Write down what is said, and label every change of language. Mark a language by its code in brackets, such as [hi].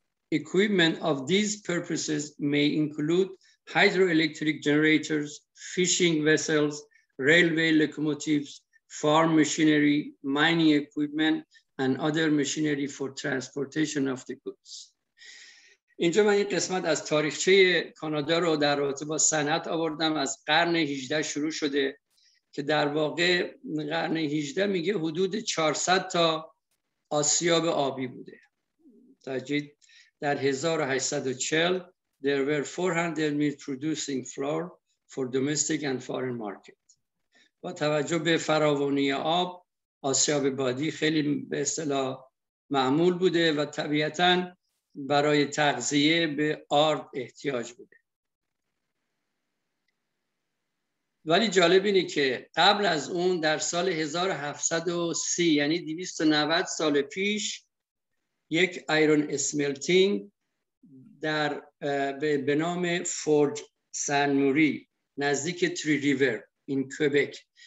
[en] Equipment of these purposes may include hydroelectric generators, fishing vessels, railway locomotives, farm machinery, mining equipment, and other machinery for transportation of the goods. [fa] اینجا من این قسمت از تاریخچه کانادا رو در رابطه با صنعت آوردم. از قرن 18 شروع شده که در واقع قرن 18 میگه حدود 400 تا آسیاب آبی بوده. [en] در 1840 there were 400 meat producing flour for domestic and foreign market. [fa] با توجه به فراوانی آب، آسیاب بادی خیلی به اصطلاح معمول بوده و طبیعتاً برای تغذیه به آرد احتیاج بوده. ولی جالب اینه که قبل از اون در سال 1730 یعنی 290 سال پیش یک ایرون اسملتینگ در به نام فورج سن موری نزدیک تری ریور این کبک.